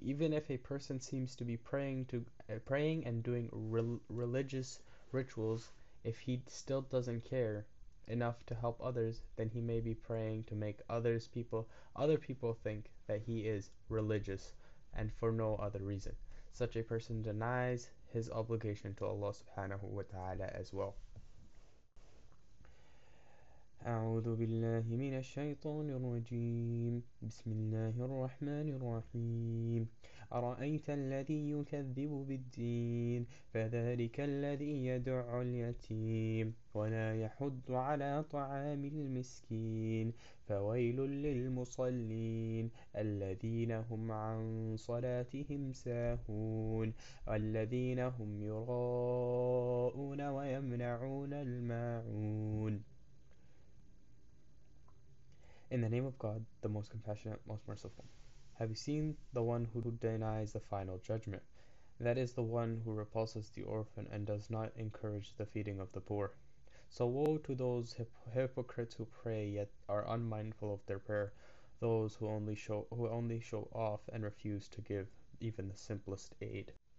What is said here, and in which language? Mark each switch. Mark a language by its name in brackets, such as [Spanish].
[English] Even if a person seems to be praying and doing religious rituals, if he still doesn't care enough to help others, then he may be praying to make other people think that he is religious, and for no other reason. Such a person denies his obligation to Allah subhanahu wa ta'ala as well. [Arabic] أعوذ بالله من الشيطان الرجيم بسم الله الرحمن الرحيم أرأيت الذي يكذب بالدين فذلك الذي يدعو اليتيم ولا يحض على طعام المسكين فويل للمصلين الذين هم عن صلاتهم ساهون الذين هم يراءون ويمنعون الماعون. [English] In the name of God, the most compassionate, most merciful. Have you seen the one who denies the final judgment? That is the one who repulses the orphan and does not encourage the feeding of the poor. So woe to those hypocrites who pray yet are unmindful of their prayer, those who only show off and refuse to give even the simplest aid.